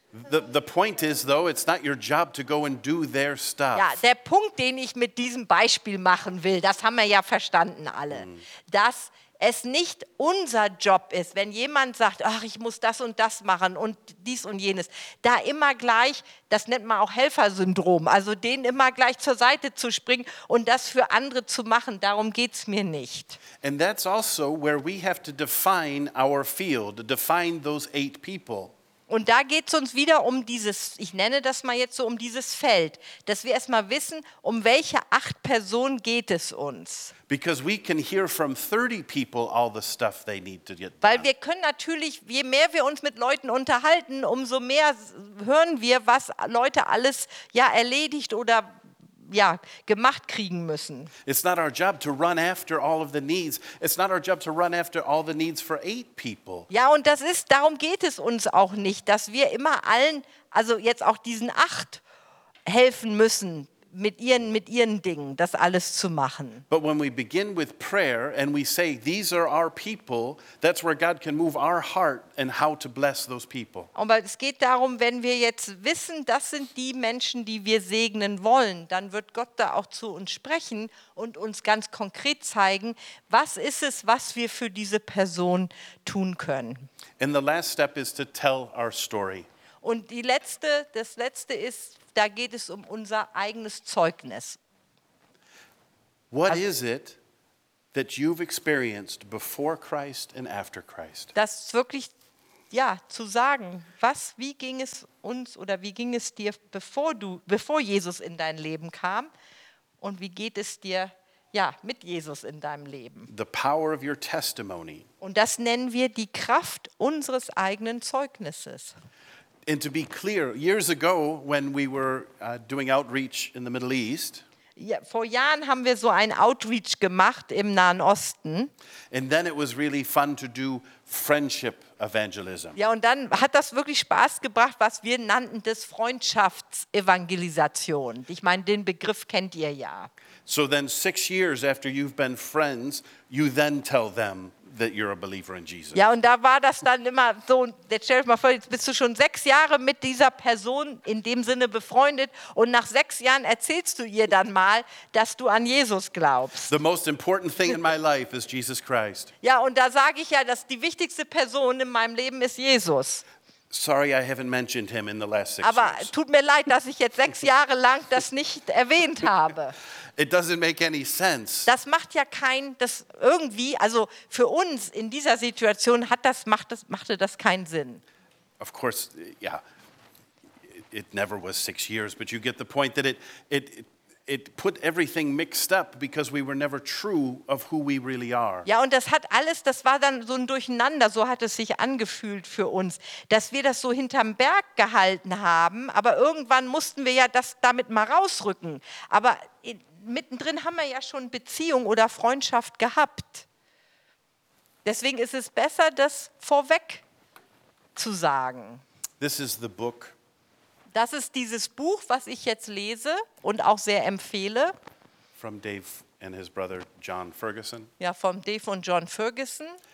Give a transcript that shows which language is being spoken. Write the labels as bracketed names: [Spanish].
[English] The point is though, it's not your job to go and do their stuff. [German] Ja, der Punkt, den ich mit diesem Beispiel machen will, das haben wir ja verstanden alle, dass es nicht unser Job ist, wenn jemand sagt, ach, ich muss das und das machen und dies und jenes, da immer gleich, das nennt man auch Helfersyndrom, also den immer gleich zur Seite zu springen und das für andere zu machen, darum geht's mir nicht. [English] And that's also where we have to define our field, define those eight people. [German] Und da geht es uns wieder um dieses, ich nenne das mal jetzt so, um dieses Feld, dass wir erstmal wissen, um welche 8 Personen geht es uns. [English] Because we can hear from 30 people all the stuff they need to get done. [German] Weil wir können natürlich, je mehr wir uns mit Leuten unterhalten, umso mehr hören wir, was Leute alles ja erledigt oder ja, gemacht kriegen müssen. [English] It's not our job to run after all of the needs. It's not our job to run after all the needs for 8 people. [German] Ja, und das ist, darum geht es uns auch nicht, dass wir immer allen, also jetzt auch diesen 8 helfen müssen, mit ihren Dingen, das alles zu machen. [English] But when we begin with prayer and we say, these are our people, that's where God can move our heart and how to bless those people. [German] Aber es geht darum, wenn wir jetzt wissen, das sind die Menschen, die wir segnen wollen, dann wird Gott da auch zu uns sprechen und uns ganz konkret zeigen, was ist es, was wir für diese Person tun können. [English] And the last step is to tell our story. [German] Und das letzte ist, da geht es um unser eigenes Zeugnis. [English] What is it that you've experienced before Christ and after Christ? [German] Das wirklich, ja, zu sagen, was, wie ging es uns oder wie ging es dir, bevor Jesus in dein Leben kam, und wie geht es dir, ja, mit Jesus in deinem Leben? [English] The power of your testimony. [German] Und das nennen wir die Kraft unseres eigenen Zeugnisses. [English] And to be clear, years ago when we were doing outreach in the Middle East, [German] ja, vor Jahren haben wir so ein Outreach gemacht im Nahen Osten. [English] And then it was really fun to do friendship evangelism. [German] Ja, und dann hat das wirklich Spaß gebracht, was wir nannten das Freundschaftsevangelisation. Ich meine, den Begriff kennt ihr ja. [English] So then 6 years after you've been friends, you then tell them that you're a believer in Jesus. [German] Ja, und da war das dann immer so, jetzt stell dir mal vor, jetzt bist du schon 6 Jahre mit dieser Person in dem Sinne befreundet und nach 6 Jahren erzählst du ihr dann mal, dass du an Jesus glaubst. [English] The most important thing in my life is Jesus Christ. [German] Ja, und da sage ich ja, dass die wichtigste Person in meinem Leben ist Jesus. [English] Sorry, I haven't mentioned him in the last 6 years. [German] Aber tut mir leid, dass ich jetzt 6 Jahre lang das nicht erwähnt habe. [English] It doesn't make any sense. [German] Das macht ja kein, das irgendwie, also für uns in dieser Situation machte das keinen Sinn. [English] Of course, yeah, it never was 6 years, but you get the point that it put everything mixed up because we were never true of who we really are. [German] Ja, und das hat alles, das war dann so ein Durcheinander, so hat es sich angefühlt für uns, dass wir das so hinterm Berg gehalten haben, aber irgendwann mussten wir ja das damit mal rausrücken. Aber mittendrin haben wir ja schon Beziehung oder Freundschaft gehabt. Deswegen ist es besser, das vorweg zu sagen. [English] This is the book. [German] Das ist dieses Buch, was ich jetzt lese und auch sehr empfehle. [English] From Dave and his brother John Ferguson. [German] Ja, von Dave und John Ferguson.